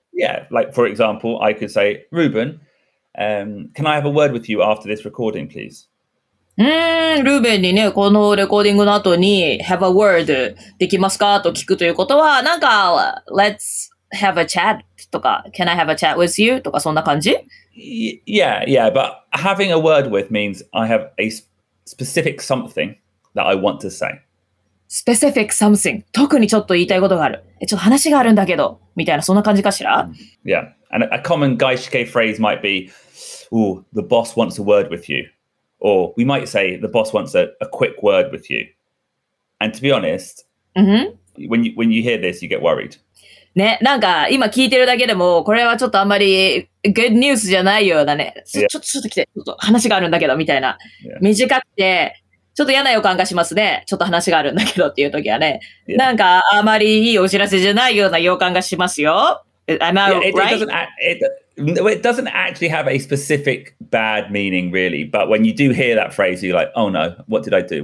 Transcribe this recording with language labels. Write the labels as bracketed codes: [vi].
[en] Yeah, like for example, I could say, Ruben,、can I have a word with you after this recording, please? [ja] ルーベンにね、このレコーディングの後に [en] Have a word [ja] できますかと聞くということは、なんか [en] Let's have a chat [ja] とか [en] Can I have a chat with you? [ja] とかそんな感じ [en] Yeah, yeah, but having a word with means I have a specific something that I want to say. Specific something. [ja] 特にちょっと言いたいことがある。え、ちょっと話があるんだけど、みたいなそんな感じかしら [en] Yeah, and a common 外資系 phrase might be Ooh, the boss wants a word with you. Or we might say the boss wants a quick word with you. And to be honest, when you hear this, you get worried. [ja] ね、なんか今聞いてるだけでもこれはちょっとあんまりグッドニュースじゃないようなね、yeah. ちょっと来て、ちょっと話があるんだけどみたいな、yeah. 短くてちょっと嫌な予感がしますね、ちょっと話があるんだけどっていう時はね、yeah. なんかあまりいいお知らせじゃないような予感がしますよ。 [en] Am I right? It doesn't actually have a specific bad meaning really, but when you do hear that phrase, you're like, oh no, what did I do?